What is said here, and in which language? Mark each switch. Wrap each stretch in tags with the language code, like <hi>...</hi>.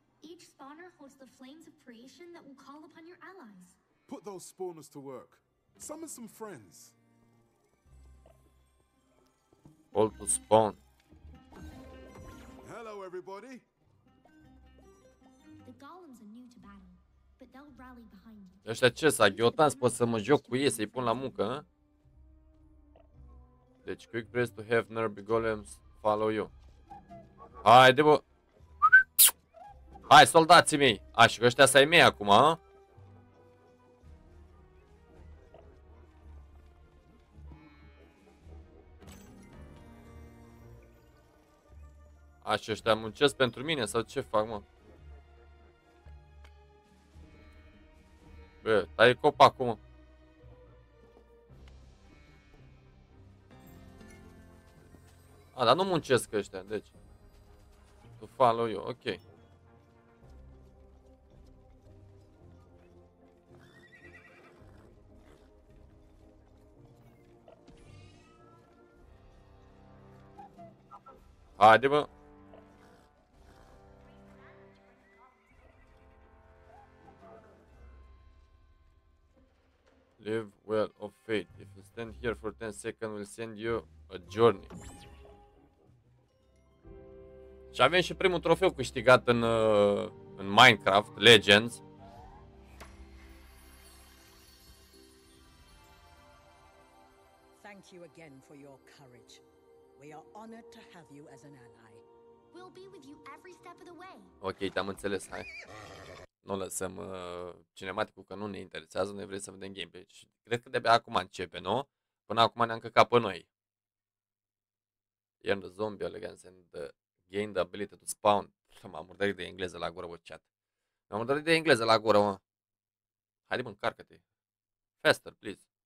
<en>Each spawner holds the flames of creation that will call upon your allies. Put those spawners to work. Summon some friends. Hold to spawn. Hello everybody. The golems are new to battle, but they'll rally behind you.</en> <ro>Ăștia ce s-a ghiotans, pot să mă joc cu ei, să-i pun la muncă, hă?</ro> <en>Deci quick press to have nearby golems follow you.</en> <ro>Haide, bă. Hai, soldații mei. Așa, ăștia s-ai mei acum, hă? Aceștia muncesc pentru mine sau ce fac, mă? Bă, tai copacul, mă. A, dar nu muncesc ăștia, deci. Tu follow eu, ok. Haide, bă.</ro> <en>Live well of fate. If you stand here for 10 seconds, we'll send you a journey.</en> <ro>Și avem și primul trofeu câștigat în, în Minecraft, Legends.</ro> <en>Thank you again for your courage. We are honored to have you as an ally. We'll be with you every step of the way.</en> <ro>Ok, te-am înțeles, hai. Nu lăsăm cinematicul că nu ne interesează, noi vrem să vedem gameplay. Și cred că de-abia acum începe, nu? Până acum ne-am căcat pe noi.</ro> <en>You're the zombie, elegant, and the... Gain the ability to spawn.</en> <ro>M-am murdărit de engleză la gură, bă, chat. M-am murdărit de engleză la gură, mă. Haide, mă, încarcă-te.</ro> <en>Faster, please.</en>